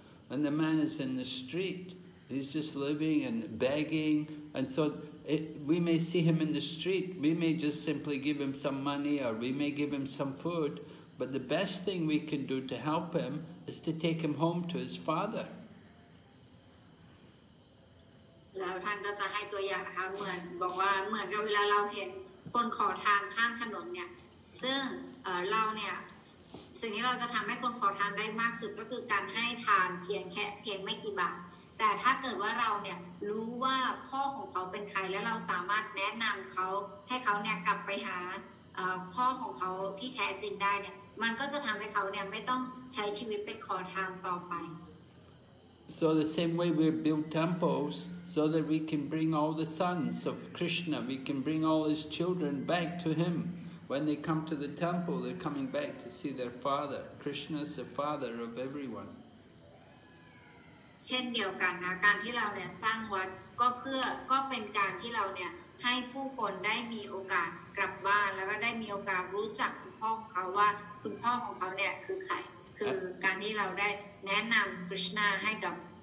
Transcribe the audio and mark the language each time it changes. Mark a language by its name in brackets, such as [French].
[English] And the man is in the street, he's just living and begging, and so we may see him in the street, we may just simply give him some money or we may give him some food, but the best thing we can do to help him is to take him home to his father. [Thai] แล้วท่านก็จะให้ตัวอย่างนะคะเหมือนบอกว่าเหมือนกับเวลาเราเห็นคนขอทานข้างถนนเนี่ยซึ่งเราเนี่ยสิ่งที่เราจะทำให้คนขอทานได้มากสุดก็คือการให้ทานเพียงไม่กี่บาทแต่ถ้าเกิดว่าเราเนี่ยรู้ว่าพ่อของเขาเป็นใครแล้วเราสามารถแนะนำเขาให้เขาเนี่ยกลับไปหาพ่อของเขาที่แท้จริงได้เนี่ยมันก็จะทำให้เขาเนี่ยไม่ต้องใช้ชีวิตเป็นขอทานต่อไป [English] So the same way we build temples. So that we can bring all the sons of Krishna, we can bring all his children back to him. When they come to the temple, they're coming back to see their father. Krishna is the father of everyone. [Thai] เช่นเดียวกันนะการที่เราเนี่ยสร้างวัดก็เป็นการที่เราเนี่ยให้ผู้คนได้มีโอกาสกลับบ้านแล้วก็ได้มีโอกาสรู้จักคุณพ่อของเขาว่าคุณพ่อของเขาเนี่ยคือใครคือการที่เราได้แนะนำคริสต์นาให้กับ